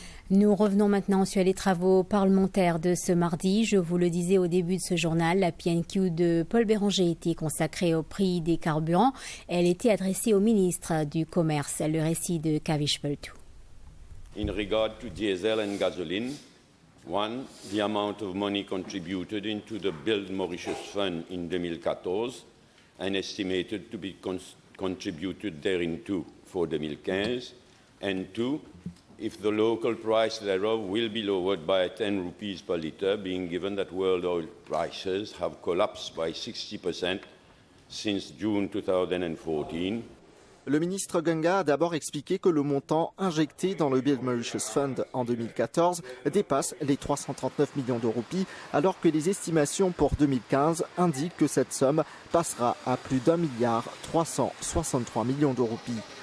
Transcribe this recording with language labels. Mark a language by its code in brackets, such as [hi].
[fr] Nous revenons maintenant sur les travaux parlementaires de ce mardi. Je vous le disais au début de ce journal, la PNQ de Paul Béranger était consacrée au prix des carburants. Elle était adressée au ministre du Commerce. Le récit de Kavish Peltou. [en] In regard to diesel and gasoline, one, the amount of money contributed into the Build Mauritius Fund in 2014 and estimated to be contributed thereinto for 2015, and two, if the local price thereof will be lowered by 10 rupees per litre, being given that world oil prices have collapsed by 60% since June 2014. [fr] Le ministre Ganga a d'abord expliqué que le montant injecté dans le Build Mauritius Fund en 2014 dépasse les 339 millions de roupies, alors que les estimations pour 2015 indiquent que cette somme passera à plus d'1,363 milliard de roupies.